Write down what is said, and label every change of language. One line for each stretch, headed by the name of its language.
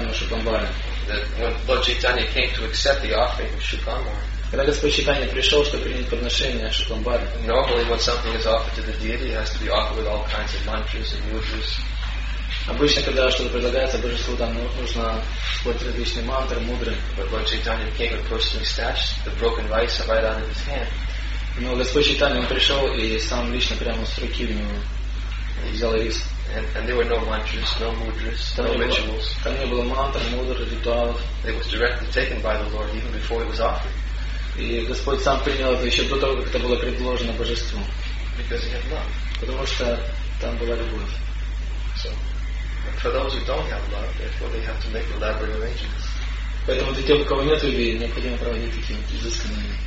English: When Lord Chaitanya came to accept the offering of Shuklambara,
Russian: когда Господь Читания пришел, чтобы принять подношение Шукламбары.
English: Normally, when something is offered to the deity, it has to be offered with all kinds of mantras and mudras.
Russian: Обычно, когда что-то предлагается божеству, там нужно использовать различные мантры, мудры.
English: But Lord Chaitanya came and personally snatched the broken rice right out of his hand.
Russian: Но Господь Читания пришел и сам лично прямо с руки у него взял рис.
English: And there were no mantras, no mudras, no rituals.
Russian: Там не было мантр, мудр, ритуалов.
English: It was directly taken by the Lord even before it was offered.
Russian: И Господь сам принял это еще до того, как это было предложено Божеству.
English: Because he had love.
Russian: Потому что там была любовь.
English: So, for those who don't have love, therefore they have to make elaborate arrangements.
Russian: Поэтому для тех, у кого нет любви, необходимо проводить такие вот изысканные.